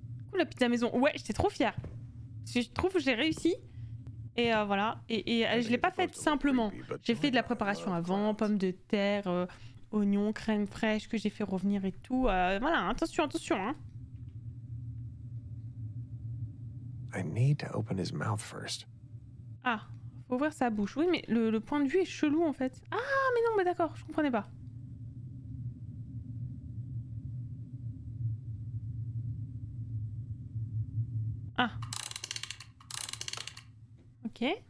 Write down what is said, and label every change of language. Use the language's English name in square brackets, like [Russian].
[French] Cool, la pizza maison. Ouais, j'étais trop fière. Je trouve que j'ai réussi. Et voilà. Et je l'ai pas faite simplement. J'ai fait de la préparation avant, pommes de terre. Oignons, crème fraîche que j'ai fait revenir et tout. Voilà, attention, hein. [English] I need to open his mouth first. [French] Ah, faut ouvrir sa bouche. Oui, mais le point de vue est chelou, en fait. Ah, mais non, mais d'accord, je comprenais pas. Ah. Ok.